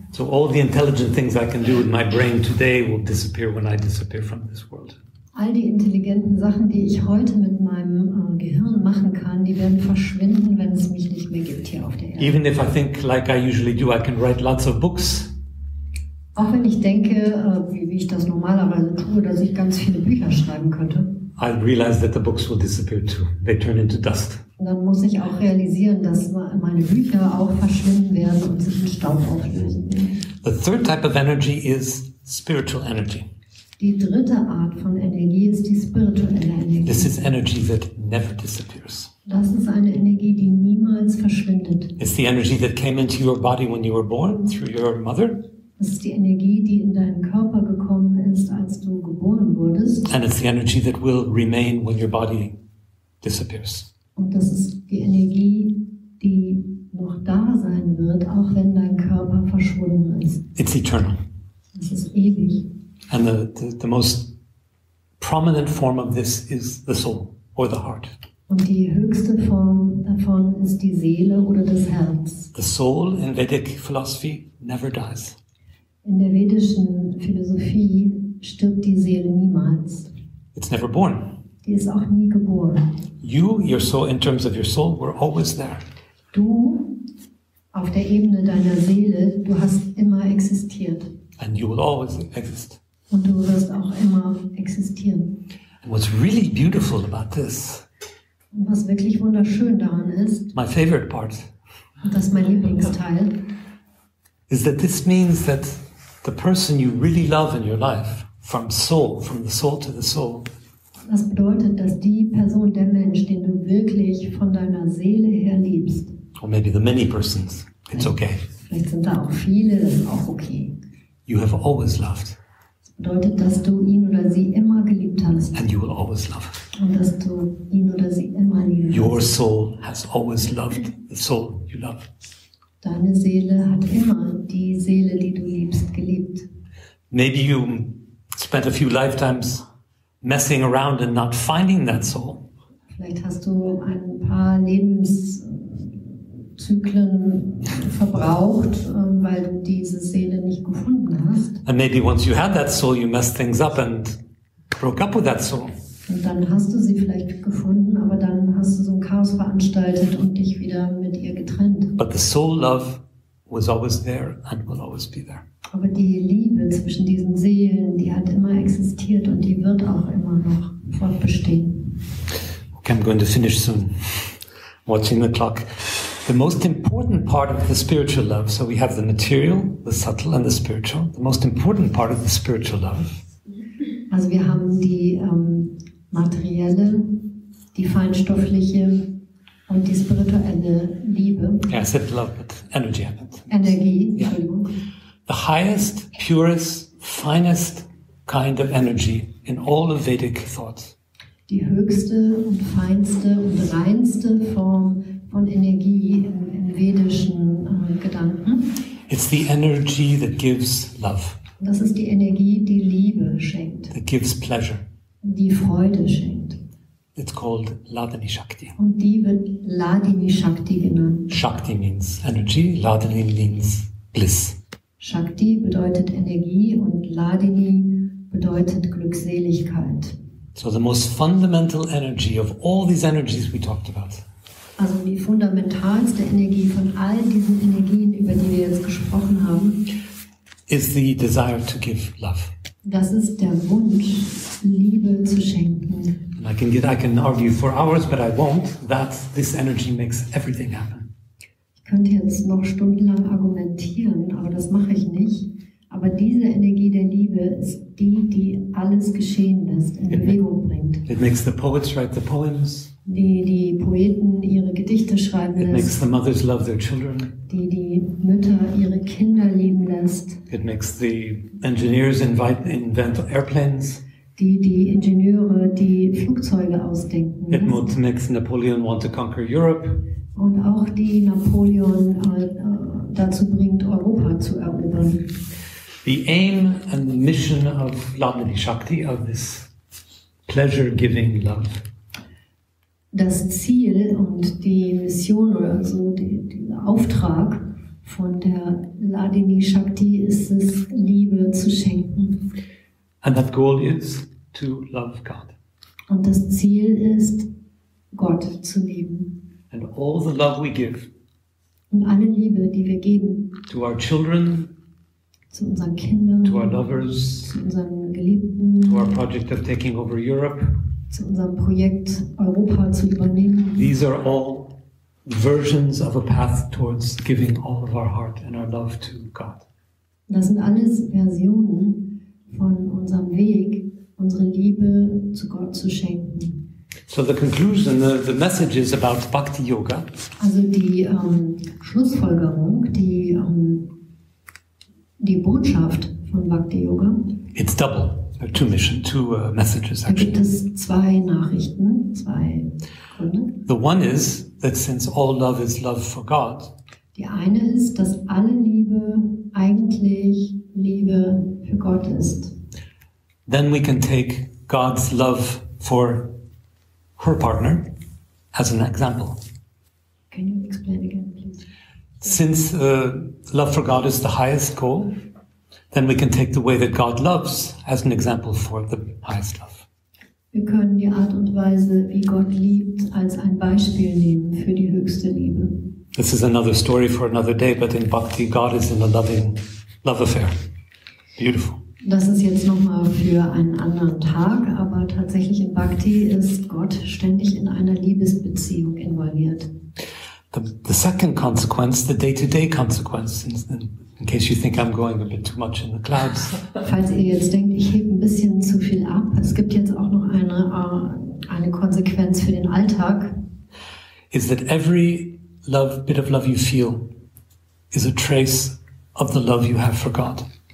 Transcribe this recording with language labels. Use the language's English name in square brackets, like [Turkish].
[English] So all the intelligent things I can do with my brain today will disappear when I disappear from this world. [German] All die intelligenten Sachen, die ich heute mit meinem Gehirn machen kann, die werden verschwinden, wenn es mich nicht mehr gibt hier auf der Erde. [English] Even if I think like I usually do, I can write lots of books. [German] Auch wenn ich denke, wie ich das normalerweise tue, dass ich ganz viele Bücher schreiben könnte. [English] I realize that the books will disappear too. They turn into dust. [German] Und dann muss ich auch realisieren, dass meine Bücher auch verschwinden werden und sich in Staub auflösen. [English] The third type of energy is spiritual energy. [German] Die dritte Art von Energie ist die spirituelle Energie. [English] This is energy that never disappears. [German] Das ist eine Energie, die niemals verschwindet. [English] It's the energy that came into your body when you were born through your mother. [German] Das ist die Energie, die in deinen Körper gekommen ist, als du geboren wurdest. [English] And it's the energy that will remain when your body disappears. [German] Und das ist die Energie, die noch da sein wird, auch wenn dein Körper verschwunden ist. [English] It's eternal. [German] Es ist ewig. [English] And the most prominent form of this is the soul or the heart. [German] Und die höchste Form davon ist die Seele oder das Herz. [English] The soul in Vedic philosophy never dies. [German] In der vedischen Philosophie stirbt die Seele niemals. [English] It's never born. [German] Die ist auch nie geboren. [English] You, your soul, in terms of your soul, were always there. [German] Du, auf der Ebene deiner Seele, du hast immer existiert. [English] And you will always exist. [German] Und du wirst auch immer existieren. [English] And what's really beautiful about this? [German] Und was wirklich wunderschön daran ist? [English] My favorite part. [German] Und das ist mein Lieblingsteil. [English] Is that this means that the person you really love in your life, from the soul to the soul. [German] Das bedeutet, dass die Person, der Mensch, den du wirklich von deiner Seele her liebst. [English] Or maybe the many persons. It's okay. [German] Vielleicht sind da auch viele. Das ist auch okay. [English] You have always loved. [German] Das bedeutet, dass du ihn oder sie immer geliebt hast. [English] And you will always love. [German] Und dass du ihn oder sie immer liebst. [English] Your soul has always loved the soul you love. [German] Deine Seele hat immer die Seele, die du liebst, geliebt. [English] Maybe you spent a few lifetimes messing around and not finding that soul. [German] Vielleicht hast du ein paar Lebenszyklen verbraucht, weil du diese Seele nicht gefunden hast. [English] And maybe once you had that soul, you messed things up and broke up with that soul. [German] Und dann hast du sie vielleicht gefunden, aber dann hast du so ein Chaos veranstaltet und dich wieder mit ihr getrennt. [English] But the soul love was always there and will always be there. [German] Aber die Liebe zwischen diesen Seelen, die hat immer existiert und die wird auch immer noch fortbestehen. [English] Okay, I'm going to finish soon. Watching the clock. The most important part of the spiritual love, so we have the material, the subtle and the spiritual. The most important part of the spiritual love. [German] Also wir haben die materielle, die feinstoffliche und die spirituelle Liebe. [English] Yeah, I said love, but energy. [German] Energie, Entschuldigung. Yeah. [English] The highest, purest, finest kind of energy in all of Vedic thought. [German] Die höchste und feinste und reinste Form von Energie in vedischen Gedanken. [English] It's the energy that gives love. [German] Das ist die Energie, die Liebe schenkt. [English] That gives pleasure. [German] Die Freude schenkt. [English] It's called Ladini Shakti. [German] Und die wird Ladini Shakti genannt. [English] Shakti means energy, Ladini means bliss. [German] Shakti bedeutet Energie und Ladini bedeutet Glückseligkeit. [English] So the most fundamental energy of all these energies we talked about. [German] Also die fundamentalste Energie von all diesen Energien, über die wir jetzt gesprochen haben, [English] is the desire to give love. [German] Das ist der Wunsch, Liebe zu schenken. [English] And I can argue for hours, but I won't, that this energy makes everything happen. [German] Ich könnte jetzt noch stundenlang argumentieren, aber das mache ich nicht. Aber diese Energie der Liebe ist die, die alles geschehen lässt, in Bewegung bringt. [English] It makes the poets write the poems. [German] Die Poeten ihre Gedichte schreiben lässt. [English] It makes the mothers love their children. [German] Die Mütter ihre Kinder lieben lässt. [English] It makes the engineers invent airplanes. [German] Die Ingenieure die Flugzeuge ausdenken. [English] It lässt. Makes Napoleon want to conquer Europe. [German] Und auch die Napoleon dazu bringt, Europa zu erobern. [English] The aim and the mission of Ladini Shakti, of this pleasure-giving love. [German] Das Ziel und die Mission oder so, der Auftrag von der Ladini Shakti ist es, Liebe zu schenken. [English] And that goal is to love God. [German] Und das Ziel ist, Gott zu lieben. [English] And all the love we give. [German] Und alle Liebe, die wir geben. [English] To our children. [German] Zu unseren Kindern. [English] To our lovers. [German] Zu unseren Geliebten. [English] To our project of taking over Europe. [German] Zu unserem Projekt Europa zu übernehmen. [English] These are all versions of a path towards giving all of our heart and our love to God. [German] Das sind alles Versionen von unserem Weg, unsere Liebe zu Gott zu schenken. [English] So the conclusion, the message is about Bhakti Yoga. [German] Also die Schlussfolgerung, die Botschaft von Bhakti Yoga. [English] It's double. Two messages. [German] Da gibt es zwei Nachrichten, zwei Gründe. [English] The one is that since all love is love for God. [German] Die eine ist, dass alle Liebe eigentlich Liebe für Gott ist. [English] Then we can take God's love for her partner as an example. Can you explain again, please? Since love for God is the highest goal, then we can take the way that God loves as an example for the highest love. [German] Wir können die Art und Weise, wie Gott liebt, als ein Beispiel nehmen für die höchste Liebe. [English] This is another story for another day, but in Bhakti, God is in a loving love affair. Beautiful. [German] Das ist jetzt nochmal für einen anderen Tag, aber tatsächlich in Bhakti ist Gott ständig in einer Liebesbeziehung involviert. [English] The second consequence, the day-to-day consequence, in case you think I'm going a bit too much in the clouds. [German] Falls ihr jetzt denkt, ich hebe ein bisschen zu viel ab, es gibt jetzt auch noch eine Konsequenz für den Alltag. [English] Is that every love, bit of love you feel is a trace of the love you have for God.